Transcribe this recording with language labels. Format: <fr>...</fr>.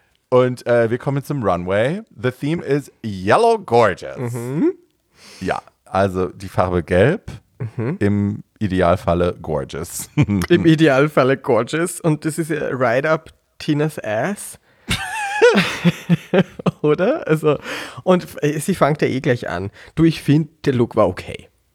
<de>Und wir kommen zum Runway.</de> <en>The theme is Yellow Gorgeous.</en> <de>Ja, also die Farbe Gelb, im Idealfalle Gorgeous. Im Idealfalle Gorgeous. Und das ist</de> <en>right up Tinas ass.</en> <de>oder? Also, und sie fängt ja eh gleich an. Du, ich finde, der Look war okay.</de>